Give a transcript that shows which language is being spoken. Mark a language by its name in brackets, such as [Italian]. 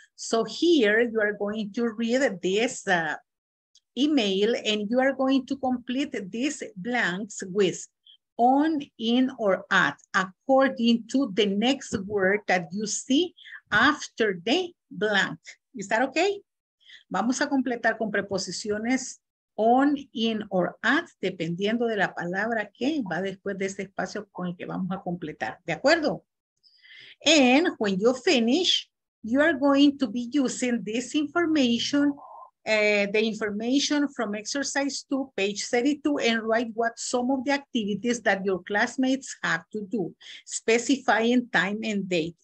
[English] So here you are going to read this email and you are going to complete these blanks with on, in, or at, according to the next word that you see after the blank. Is that okay? [Spanish] Vamos a completar con preposiciones on, in, or at, dependiendo de la palabra que va después de ese espacio con el que vamos a completar. ¿De acuerdo? [English] And when you finish, you are going to be using this information, the information from exercise 2, page 32, and write what some of the activities that your classmates have to do, specifying time and date.